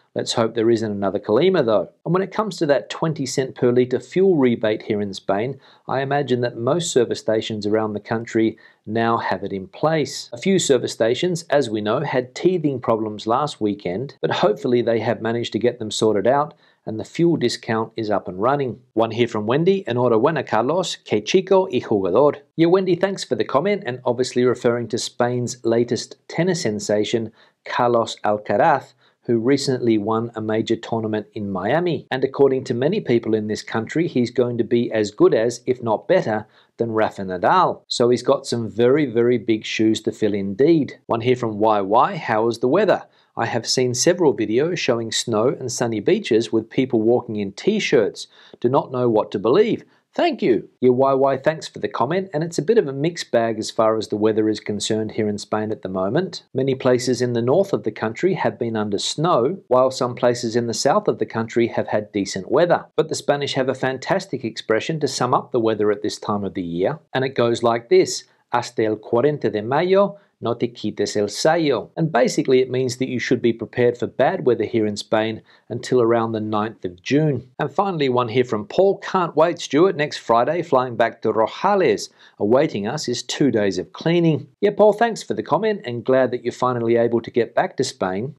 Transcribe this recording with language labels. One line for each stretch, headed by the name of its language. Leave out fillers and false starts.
English: Let's hope there isn't another Calima though. And when it comes to that 20 cent per litre fuel rebate here in Spain, I imagine that most service stations around the country now have it in place. A few service stations, as we know, had teething problems last weekend, but hopefully they have managed to get them sorted out and the fuel discount is up and running. One here from Wendy:
Spanish: enhorabuena Carlos, que chico y jugador.
English: Yeah, Wendy, thanks for the comment, and obviously referring to Spain's latest tennis sensation, Carlos Alcaraz, who recently won a major tournament in Miami. And according to many people in this country, he's going to be as good as, if not better, than Rafa Nadal. So he's got some very, very big shoes to fill indeed. One here from YY, how is the weather? I have seen several videos showing snow and sunny beaches with people walking in t-shirts. Do not know what to believe. Thank you. Yeah, YY, thanks for the comment. And it's a bit of a mixed bag as far as the weather is concerned here in Spain at the moment. Many places in the north of the country have been under snow, while some places in the south of the country have had decent weather. But the Spanish have a fantastic expression to sum up the weather at this time of the year. And it goes like this.
Spanish: Hasta el 40 de mayo, no te quites el sayo.
English: And basically it means that you should be prepared for bad weather here in Spain until around the 9th of June. And finally, one here from Paul. Can't wait, Stuart. Next Friday, flying back to Rojales. Awaiting us is 2 days of cleaning. Yeah, Paul, thanks for the comment and glad that you're finally able to get back to Spain.